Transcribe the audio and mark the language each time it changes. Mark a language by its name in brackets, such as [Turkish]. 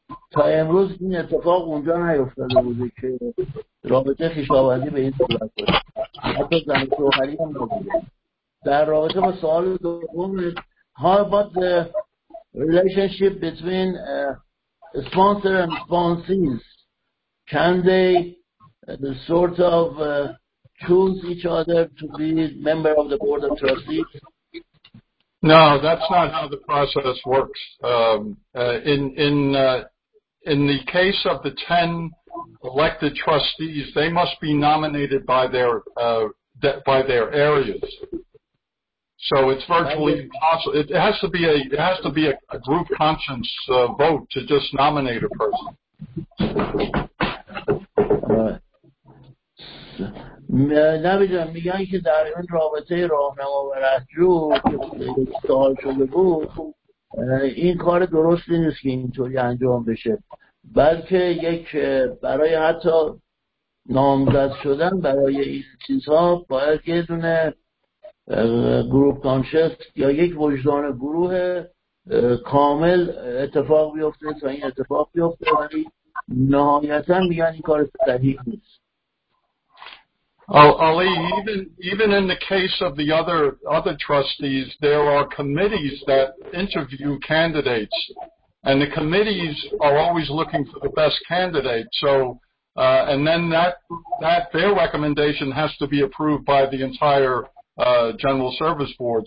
[Persian] تا امروز این اتفاق اونجا نیفتاده بوده که رابطه خویشاوندی به این صورت باشه حتی زن و شوهری هم نبوده در رابطه با سوال دوم [English] how about the relationship between sponsor and sponsees can they the sort of choose each other to be member of the board of trustees? No, that's not how the process works. In the case of the 10 elected trustees, they must be nominated by their areas. So it's virtually impossible. It has to be a group conscience vote to just nominate a person. [Persian] نبی جان میگن که در این رابطه راهنما و رهجو که سوال شده بود این کار درستی نیست که اینطوری انجام بشه بلکه یک برای حتی نامزد شدن برای این چیزها باید یه دونه گروپ کانشست یا یک وجدان گروه کامل اتفاق بیفته تا این اتفاق بیفته ولی نهایتا میگن این کار صحیح نیست [English] Ali, even in the case of the other trustees, there are committees that interview candidates, and the committees are always looking for the best candidate. So, and then that their recommendation has to be approved by the entire General Service Board.